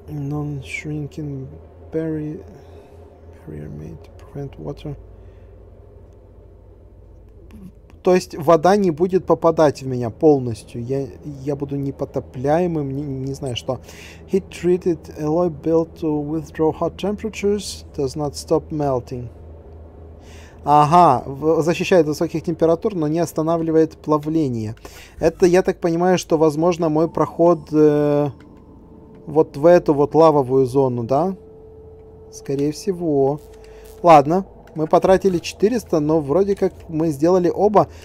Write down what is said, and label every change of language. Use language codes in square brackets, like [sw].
[en] Non-shrinking barrier made to prevent water. [ru] То есть, вода не будет попадать в меня полностью. Я буду непотопляемым, не знаю что. [en] Heat-treated alloy built to withdraw hot temperatures does not stop melting. [ru] Ага, защищает от высоких температур, но не останавливает плавление. Это, я так понимаю, что, возможно, мой проход вот в эту вот лавовую зону, да? Скорее всего. Ладно. Мы потратили 400, но вроде как мы сделали оба.